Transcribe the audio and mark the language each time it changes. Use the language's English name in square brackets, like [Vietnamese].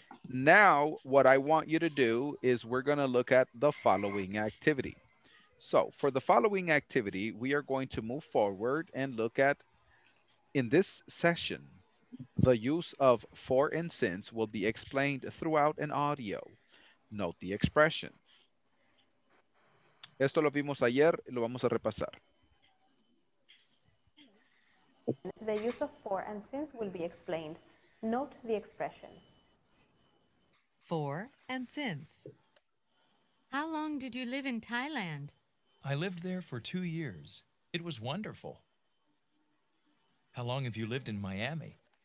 [English] Now, what I want you to do is we're going to look at the following activity. So, for the following activity, we are going to move forward and look at, in this session, the use of for and since will be explained throughout an audio. Note the expression. [Spanish] Esto lo vimos ayer, lo vamos a repasar. [English] The use of for and since will be explained. Note the expressions. For and since. How long did you live in Thailand? I lived there for 2 years. It was wonderful. How long have you lived in Miami?